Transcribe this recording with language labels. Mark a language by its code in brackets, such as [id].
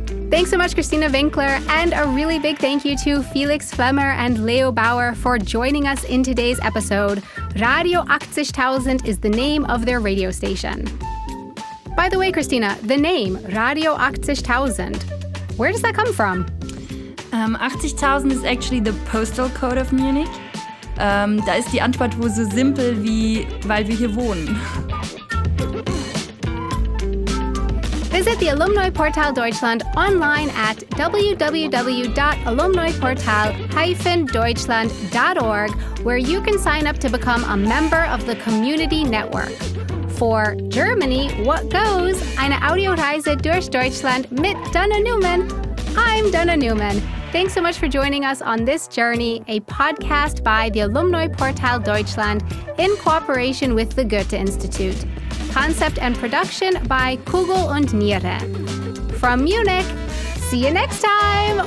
[en] Thanks so much, Christina Winkler, and a really big thank you to Felix Flemmer and Leo Bauer for joining us in today's episode. Radio 80.000 is the name of their radio station. By the way, Christina, the name Radio 80.000, where does that come from? 80.000 is actually the postal code of Munich. [de] Da ist die Antwort wohl so simpel wie, weil wir hier wohnen. [en] Visit the Alumni Portal Deutschland online at www.alumniportal-deutschland.org, where you can sign up to become a member of the community network. for Germany, What Goes, [de] eine Audioreise durch Deutschland mit Dana Newman. [en] I'm Dana Newman. Thanks so much for joining us on this journey, a podcast by the Alumni Portal Deutschland in cooperation with the Goethe Institute. Concept and production by Kugel und Niere. From Munich, see you next time!